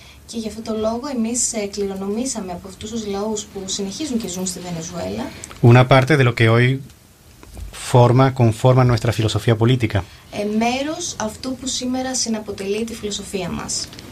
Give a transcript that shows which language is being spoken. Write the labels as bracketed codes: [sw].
[el] Και γι' αυτό το λόγο εμείς κληρονομήσαμε από αυτούς τους λαούς που συνεχίζουν και ζουν στη Βενεζουέλα. [es] Una parte de lo que hoy conforma nuestra filosofía política. [el] Μέρος αυτού που σήμερα συναποτελεί τη φιλοσοφία μας.